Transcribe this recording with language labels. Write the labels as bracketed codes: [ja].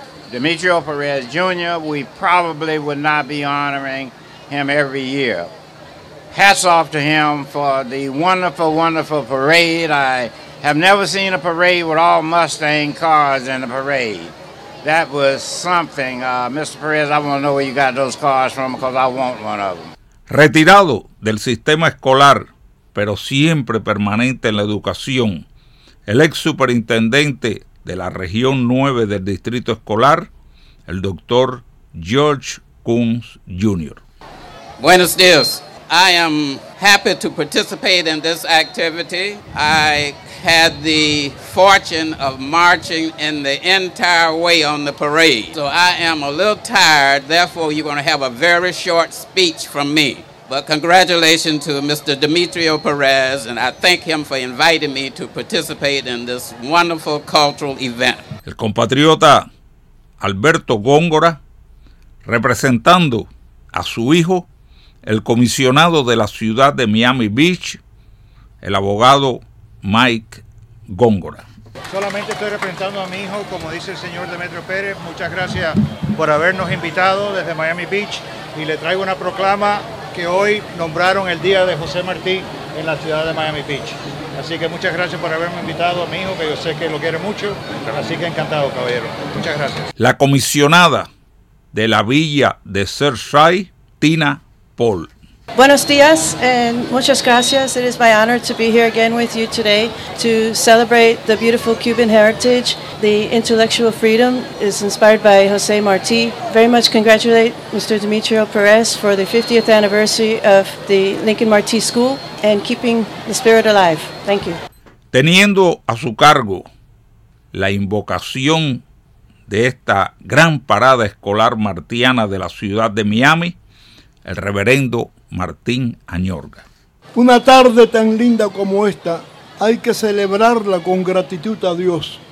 [en] Demetrio Perez Jr., we probably would not be honoring him every year. Hats off to him for the wonderful, wonderful parade. I have never seen a parade with all Mustang cars in the parade. That was something. Mr. Perez, I want to know where you got those cars from, because I want one of them. [es] Retirado del sistema escolar, pero siempre permanente en la educación, el ex superintendente de la región 9 del distrito escolar, el doctor George Kuntz Jr. Buenos días. [en] I am happy to participate in this activity. I had the fortune of marching in the entire way on the parade. So I am a little tired, therefore you're going to have a very short speech from me. But congratulations to Mr. Demetrio Perez, and I thank him for inviting me to participate in this wonderful cultural event. [es] El compatriota Alberto Góngora, representando a su hijo, el comisionado de la ciudad de Miami Beach, el abogado Mike Góngora. Solamente estoy representando a mi hijo, como dice el señor Demetrio Pérez. Muchas gracias por habernos invitado desde Miami Beach. Y le traigo una proclama que hoy nombraron el día de José Martí en la ciudad de Miami Beach. Así que muchas gracias por haberme invitado a mi hijo, que yo sé que lo quiere mucho. Así que encantado, caballero. Muchas gracias. La comisionada de la villa de Surfside, Tina Paul. Buenos días and muchas gracias. [en] It is my honor to be here again with you today to celebrate the beautiful Cuban heritage. The intellectual freedom is inspired by José Martí. Very much congratulate Mr. Demetrio Perez for the 50th anniversary of the Lincoln Martí School and keeping the spirit alive. Thank you. [es] Teniendo a su cargo la invocación de esta gran parada escolar martiana de la ciudad de Miami, el reverendo Martín Añorga. Una tarde tan linda como esta, hay que celebrarla con gratitud a Dios.